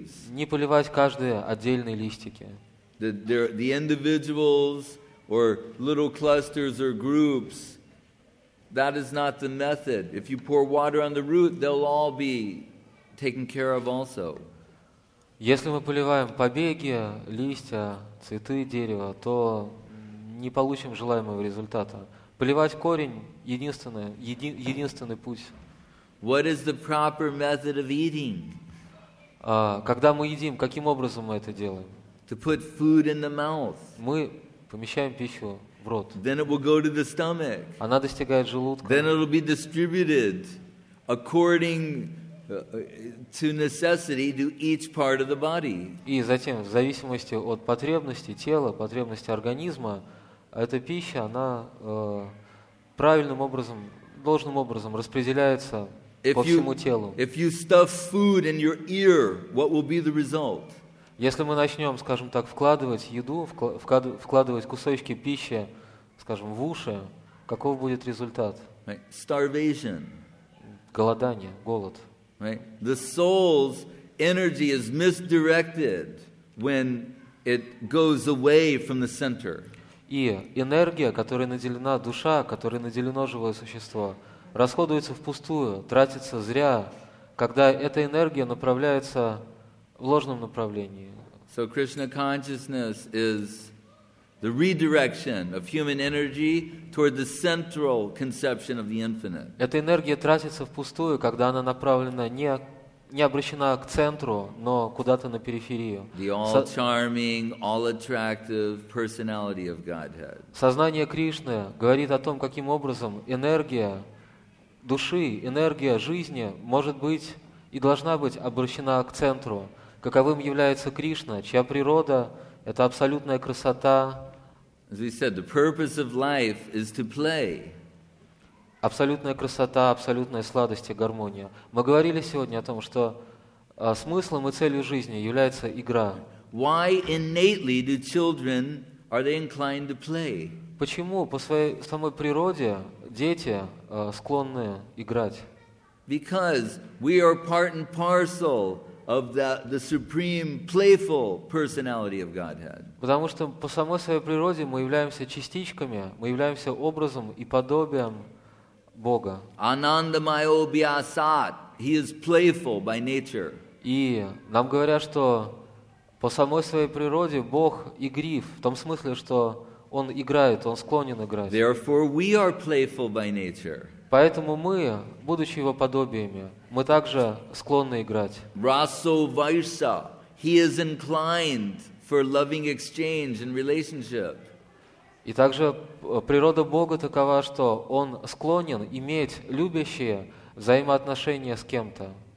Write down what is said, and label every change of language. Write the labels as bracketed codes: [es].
[ru] Не поливать каждые отдельные листики. [en] The individuals or little clusters or groups, that is not the method. If you pour water on the root, they'll all be taken care of also. [ru] Если мы поливаем побеги, листья, цветы дерева, то не получим желаемого результата. Поливать корень – единственный путь. [en] What is the proper method of eating? [ru] Когда мы едим, каким образом мы это делаем? [en] To put food in the mouth. [ru] Мы помещаем пищу в рот. [en] Then it will go to the stomach. [ru] Она достигает желудка. [en] Then it will be distributed according to necessity to each part of the body. [ru] И затем, в зависимости от потребностей тела, потребностей организма, эта пища, она правильным образом, должным образом распределяется по всему телу. [en] If you stuff food in your ear, what will be the result? [ru] Если мы начнем, скажем так, вкладывать еду, вкладывать кусочки пищи, скажем, в уши, каков будет результат? [en] Right. Starvation. [ru] Голодание, голод. [en] Right. The soul's energy is misdirected when it goes away from the center. [ru] И энергия, которой наделена душа, которой наделено живое существо, расходуется впустую, тратится зря, когда эта энергия направляется в ложном направлении. [en] So Krishna consciousness is the redirection of human energy toward the central conception of the infinite. [ru] Эта энергия тратится впустую, когда она направлена не обращена к центру, но куда-то на периферию. [en] The all-charming, all-attractive personality of Godhead. [ru] Сознание Кришны говорит о том, каким образом энергия души, энергия жизни может быть и должна быть обращена к центру. Каковым является Кришна, чья природа – это абсолютная красота. [en] As we said, the purpose of life is to play. [ru] Абсолютная красота, абсолютная сладость и гармония. Мы говорили сегодня о том, что смыслом и целью жизни является игра. [en] Why innately do children are they inclined to play? [ru] Почему по своей самой природе дети склонны играть? [en] Because we are part and parcel of the supreme playful personality of Godhead. [ru] Потому что по самой своей природе мы являемся частичками, мы являемся образом и подобием Бога. [sa] Анандамайо бьясат. [en] He is playful by nature. [ru] И нам говорят, что по самой своей природе Бог игрив, в том смысле, что Он играет, Он склонен играть. [en] Therefore, we are playful by nature. [ru] Поэтому мы, будучи Его подобиями, мы также склонны играть. [sa] Расо вайса. [en] He is inclined for loving exchange and relationship. [ru] И также природа Бога такова, что Он склонен иметь любящие взаимоотношения с кем-то.